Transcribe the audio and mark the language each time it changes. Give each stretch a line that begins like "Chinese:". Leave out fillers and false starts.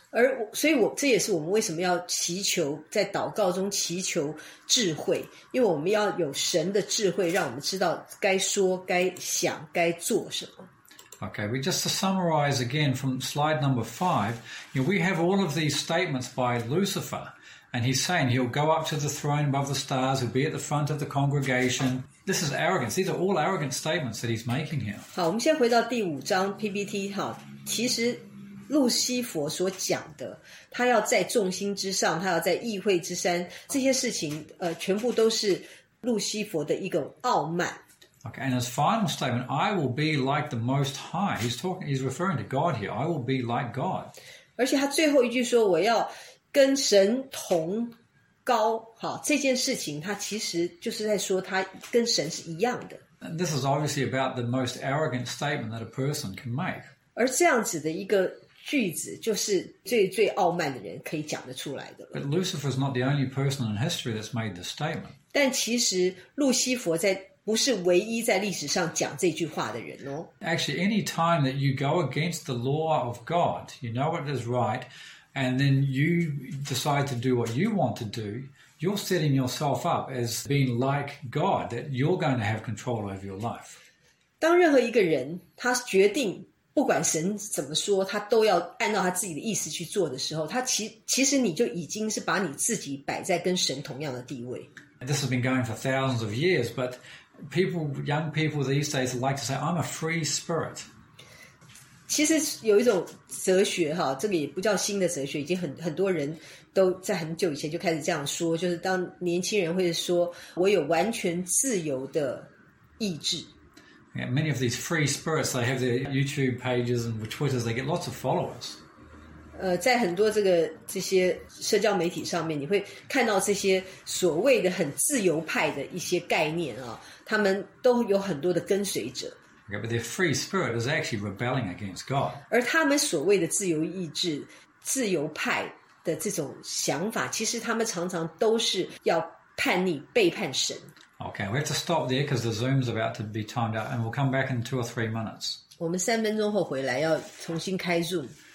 Chinese: 而所以我这也是我们为什么要祈求在祷告中祈求智慧，因为我们要有神的智慧，让我们知道该说、该想、该做什么。
English: Okay, we just to summarize again from slide number 5. You know, we have all of these statements by Lucifer. And he's saying he'll go up to the throne above the stars, he'll be at the front of the congregation. This is arrogance. These are all arrogant statements that he's making here.
Chinese: 好，我们先回到第五章 PPT 哈。其实路西佛所讲的，他要在众星之上，他要在议会之山，这些事情全部都是路西佛的一个傲慢。
English: Okay, and his final statement, I will be like the Most High. He's referring to God here. I will be like God.
Chinese: 而且他最后一句说，我要跟神同高，好，这件事情他其实就是在说他跟神是一样的。
English: And this is obviously about the most arrogant statement that a person can make.
Chinese: 而这样子的一个句子就是最最傲慢的人可以讲得出来的了。
English: But Lucifer is not the only person in history that's made the statement.
Chinese: 但其实路西佛在不是唯一在历史上讲这句话的人哦。
English: Actually, any time that you go against the law of God, you know what is right, and then you decide to do what you want to do, you're setting yourself up as being like God, that you're going to have control over your life.
Chinese: 当任何一个人他决定不管神怎么说他都要按照他自己的意思去做的时候他 其实你就已经是把你自己摆在跟神同样的地位。
English: This has been going for thousands of years, but young people these days like to say, I'm a free spirit.
Chinese: 其实有一种哲学哈这个也不叫新的哲学已经 很多人都在很久以前就开始这样说就是当年轻人会说我有完全自由的意志。
English: Yeah, many of these free spirits, they have their YouTube pages and Twitters, they get lots of followers.
Chinese: 在很多这些社交媒体上面你会看到这些所谓的很自由派的一些概念啊，他们都有很多的跟随者。
English: Yeah, but their free spirit is actually rebelling against God.
Chinese: 而他们所谓的自由意志、自由派的这种想法，其实他们常常都是要叛逆、背叛神。
English: Okay, we have to stop there because the Zoom's about to be timed out and we'll come back in 2 or 3 minutes.
Chinese: 我们3分钟后回来要重新开 Zoom.